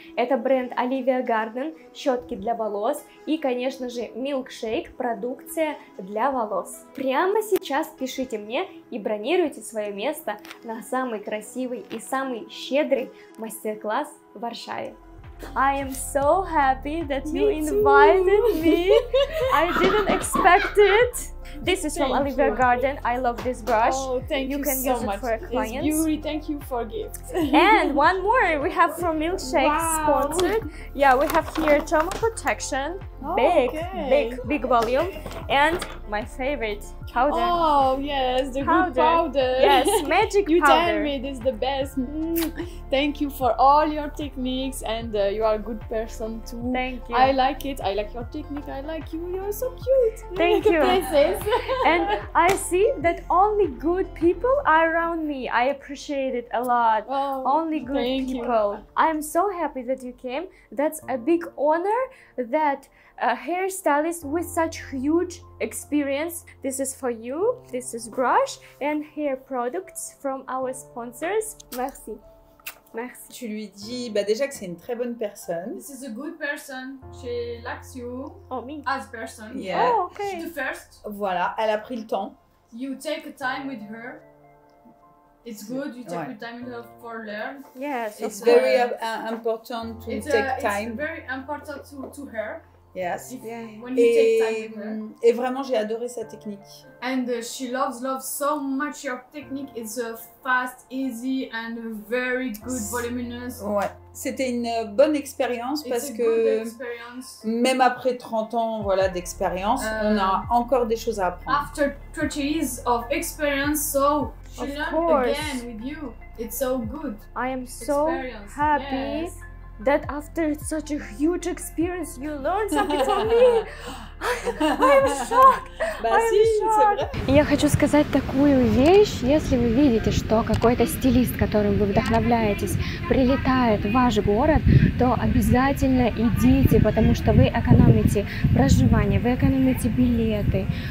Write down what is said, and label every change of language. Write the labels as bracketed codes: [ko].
[ru] Это бренд Olivia Garden, щетки для волос. И, конечно же, милкшейк, продукция для волос. Прямо сейчас пишите мне и бронируйте свое место на самый красивый и самый щедрый мастер-класс в Варшаве. [en] I am so happy that you invited me. I didn't expect it. This is from Olivia Garden. I love this brush. Oh, thank you so much. You can use it for a client. It's beautiful. Thank you for gift. And one more we have from Milkshake sponsored. Yeah, we have here Trauma Protection. Big volume. And my favorite powder. Oh, yes, the powder. Good powder. Yes, magic you powder. You tell me this is the best. Thank you for all your techniques and you are a good person too. Thank you. I like it. I like your technique. I like you. You are so cute. Thank you. Princess. And I see that only good people are around me. I appreciate it a lot. Oh, only good thank people. You. I'm so happy that you came. That's a big honor that a hairstylist with such huge experience. This is for you. This is brush and hair products from our sponsors. [fr] Merci. Merci. Tu lui dis bah déjà que c'est une très bonne personne. [en] This is a good person. She likes you. Oh, me. As person. Yeah. Oh, okay. She's the first. [fr] Voilà, elle a pris le temps. [en] You take time with her. It's good. You take your time with her for learn. Yes. It's very important to take time. It's very important to her. Yes. When you take time with her. [fr] Et vraiment, j'ai adoré sa technique. [en] And she loves so much your technique. It's a fast, easy and very good voluminous. [fr] Ouais. C'était une bonne expérience parce que même après 30 ans voilà, d'expérience, on a encore des choses à apprendre. [en] After 30 years of experience, so she learned again with you. It's so good. I am so happy. Yes. That after such a huge experience, you learned something from me. I'm shocked. [ru] Я хочу сказать такую вещь. Если вы видите, что какой-то стилист, которым вы вдохновляетесь, прилетает в ваш город, то обязательно идите, потому что вы экономите проживание, вы экономите билеты.